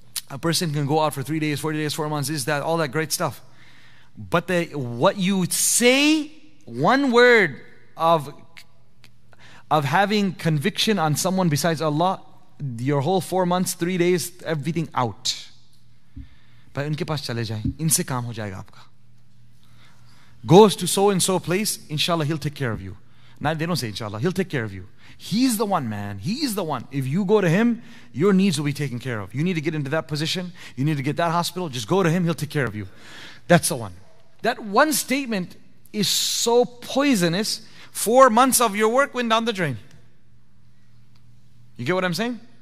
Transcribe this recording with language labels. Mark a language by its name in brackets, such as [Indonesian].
[English] A person can go out for 3 days, 40 days, 4 months, this, that, all that great stuff. But what you say, one word of of having conviction on someone besides Allah, your whole 4 months, 3 days, everything out. But [Hindi] उनके पास चले जाए, इनसे काम हो जाएगा आपका। [English] Goes to so and so place, inshallah he'll take care of you. Now they don't say inshallah, he'll take care of you. He's the one, man. He's the one. If you go to him, your needs will be taken care of. You need to get into that position, you need to get that hospital, just go to him, he'll take care of you. That's the one. That one statement is so poisonous, 4 months of your work went down the drain. You get what I'm saying?